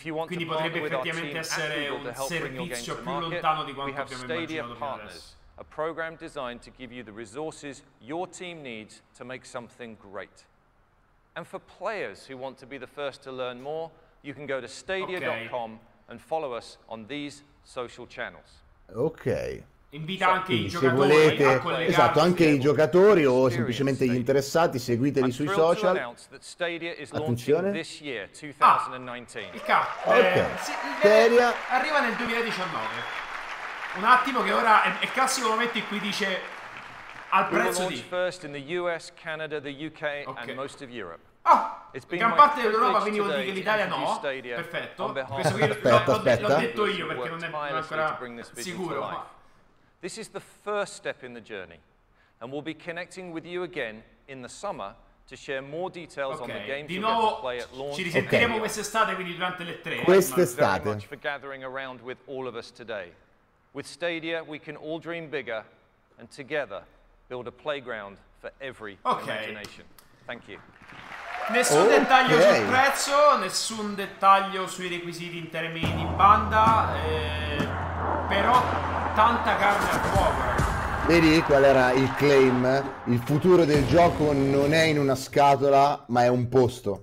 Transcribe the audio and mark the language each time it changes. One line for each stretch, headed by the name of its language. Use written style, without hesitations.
Italian: Quindi potrebbe effettivamente essere un servizio più lontano di quanto abbiamo Stadia immaginato fino adesso.
English: A program designed to give you the resources your team needs to make something great. And for players who want to be the first to learn more, you can go to stadia.com and follow us on these social channels.
Italian: Invita anche quindi, i se volete, esatto, anche i giocatori o semplicemente gli interessati, seguiteli sui social. Attenzione. Stadia arriva nel 2019. Un attimo, che ora è il classico momento in cui dice al prezzo di
English: first in the US, Canada, the UK and most of Europe.
Italian: Gran parte dell'Europa, quindi vuol dire che l'Italia no. Perfetto. Aspetta. L'ho detto io perché non è ancora sicuro.
English: This is the first step in the journey, and we'll be connecting with you again in the summer to share more details on the games
Italian: di nuovo
English: you'll get to play at launch.
Italian: Ci risentiremo quest'estate, quindi durante le tre. Quest'estate.
English: Thank you much for gathering around with all of us today. With Stadia, we can all dream bigger, and together build a playground for every imagination. Thank you.
Italian: Nessun dettaglio sul prezzo, nessun dettaglio sui requisiti in termini di banda, però tanta carne al fuoco. Vedi qual era il claim? Il futuro del gioco non è in una scatola, ma è un posto.